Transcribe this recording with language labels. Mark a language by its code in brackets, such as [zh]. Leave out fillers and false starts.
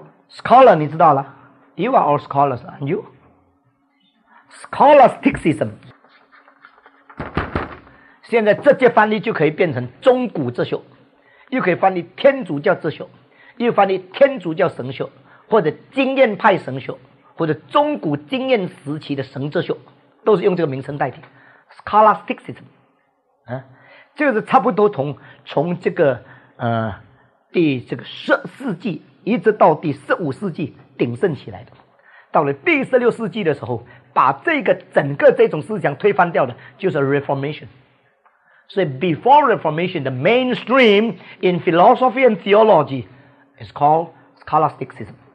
[en] scholar [zh] 你知道了， [en] You are all scholars, aren't you? Scholasticism. [zh] 现在直接翻译就可以变成中古哲学，又可以翻译天主教哲学，又翻译天主教神学，或者经验派神学，或者中古经验时期的神哲学，都是用这个名称代替。 [en] Scholasticism. [zh] 这个是差不多从这个第这个十世纪一直到第十五世纪鼎盛起来的，到了第十六世纪的时候，把这个整个这种思想推翻掉的就是 Reformation。 [en] 所以 Before Reformation the mainstream in philosophy and theology is called Scholasticism。